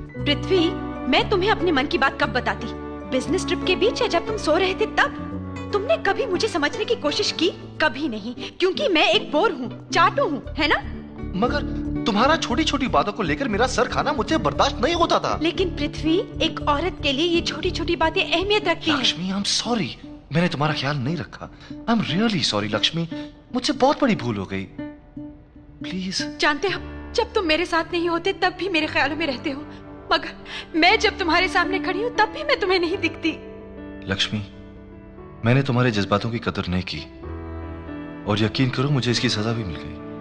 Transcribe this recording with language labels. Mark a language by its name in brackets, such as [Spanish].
[Hindi] पृथ्वी, मैं तुम्हें अपने मन की बात कब बताती? बिजनेस ट्रिप के बीच है, जब तुम सो रहे थे तब. तुमने कभी मुझे समझने की कोशिश की? कभी नहीं, क्योंकि मैं एक बोर हूँ, चाटू हूँ, है ना? मगर तुम्हारा छोटी छोटी बातों को लेकर मेरा सर खाना मुझे बर्दाश्त नहीं होता था. लेकिन पृथ्वी, एक औरत के लिए ये छोटी छोटी बातें अहमियत रखती हैं. [English] Lakshmi, I'm sorry. [Hindi] मैंने तुम्हारा ख्याल नहीं रखा. [English] I'm really sorry, Lakshmi. [Hindi] मुझसे बहुत बड़ी भूल हो गई. [English] Please. [Hindi] जानते हो, जब तुम मेरे साथ नहीं होते तब भी मेरे ख्यालों में रहते हो, मगर मैं जब तुम्हारे सामने खड़ी हूँ तब भी मैं तुम्हें नहीं दिखती. लक्ष्मी, मैंने तुम्हारे जज्बातों की कदर नहीं की और यकीन करो, मुझे इसकी सजा भी मिल गई.